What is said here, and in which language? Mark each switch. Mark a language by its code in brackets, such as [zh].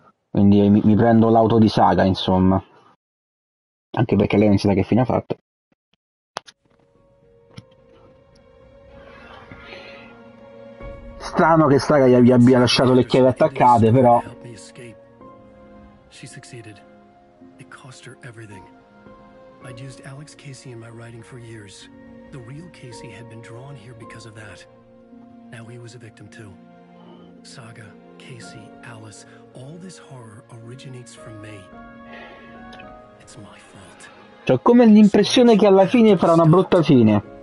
[it] Quindi mi prendo l'auto di Saga, insomma. Anche perché lei non si sa che fine ha fatto. Strano che Saga gli abbia lasciato le chiavi attaccate, però. [en] She succeeded. It cost her everything. I'd used Alex Casey in my writing for years. The real Casey had been drawn here because of that. Now he was a victim too. Saga, Casey, Alice, all this horror originates from me. It's my fault. [it] Cioè, come l'impressione che alla fine farà una brutta fine.